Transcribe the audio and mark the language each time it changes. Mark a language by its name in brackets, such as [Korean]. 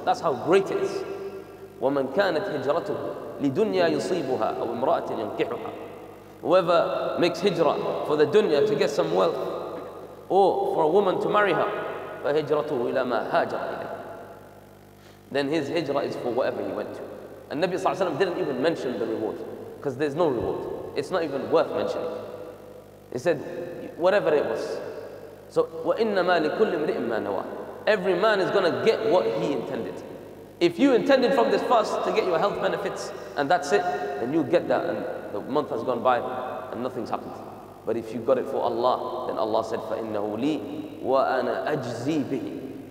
[English] That's how great it is. [Arabic] وَمَنْ كَانَتْ هِجْرَتُهُ لِدُنْيَا يُصِيبُهَا أَوْ إِمْرَأَةٍ يَنْكِحُهَا. [English] Whoever makes hijrah for the dunya to get some wealth, or for a woman to marry her, [Arabic] فهجرته إلى ما هاجر إليه. [English] Then his hijrah is for whatever he went to. And Nabi Sallallahu Alaihi Wasallam didn't even mention the reward, because there's no reward. It's not even worth mentioning. He said, whatever it was. So [Arabic] وَإِنَّمَا لِكُلِّ امْرِئٍ مَا نَوَى. [English] Every man is gonna get what he intended. If you intended from this fast to get your health benefits and that's it, then you get that and the month has gone by and nothing's happened. But if you got it for Allah, then Allah said, [Arabic] فَإِنَّهُ لِي وَأَنَا أَجْزِي بِهِ.